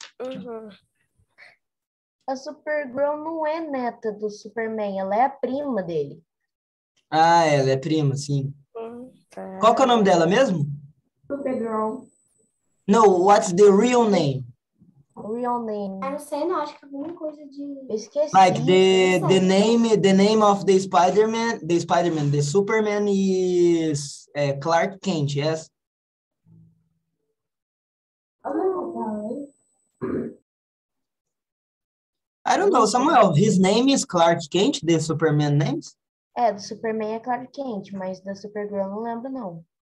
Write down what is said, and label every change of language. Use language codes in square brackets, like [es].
[pt] Uhum. A Supergirl não é neta do Superman, ela é a prima dele. Ah, ela é prima, sim. Uhum. Qual que é o nome dela mesmo? Supergirl. [en] No, what's the real name? Real name. [pt] Eu não sei, não. Acho que alguma coisa de... Eu esqueci. [en] Like, the name of the Spider-Man, the Superman is Clark Kent, yes? I don't know, Samuel. His name is Clark Kent, the Superman names? [pt] É, do Superman é Clark Kent, mas da Supergirl eu não lembro, não.